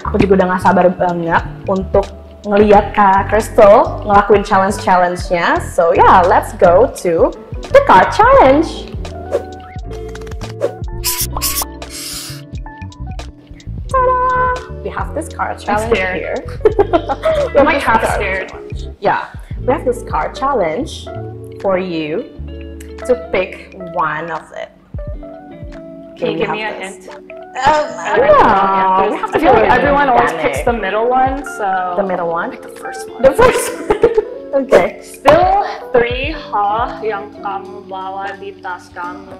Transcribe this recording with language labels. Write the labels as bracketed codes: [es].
[id] Aku juga udah gak sabar banget untuk ngeliat Kak Crystal ngelakuin challenge-challenge-nya. [en] So yeah, let's go to the card challenge. Ta-da! We have this card challenge here. We're like half scared. Yeah, we have this card challenge for you to pick one of it. Can you give me a hint? I don't know. I feel like everyone always picks the middle one, so... The middle one? Pick the first one. The first one! Okay. [id] Spill three ha yang kamu bawa di tas kamu.